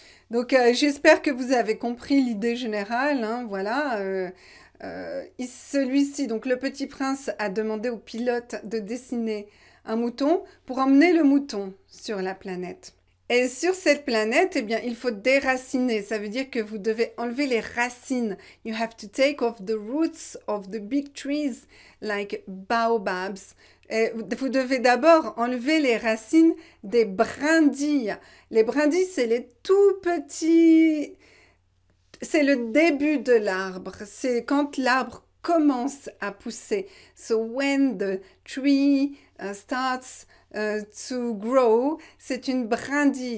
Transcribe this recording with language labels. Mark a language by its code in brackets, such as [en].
[fr] Donc, j'espère que vous avez compris l'idée générale, hein, voilà. Celui-ci, donc le petit prince, a demandé au pilote de dessiner un mouton pour emmener le mouton sur la planète. Et sur cette planète, eh bien, il faut déraciner. Ça veut dire que vous devez enlever les racines. [en] You have to take off the roots of the big trees, like baobabs. [fr] Et vous devez d'abord enlever les racines des brindilles. Les brindilles, c'est les tout petits. C'est le début de l'arbre. C'est quand l'arbre commence à pousser. [en] So when the tree starts to grow, [fr] c'est une brindille.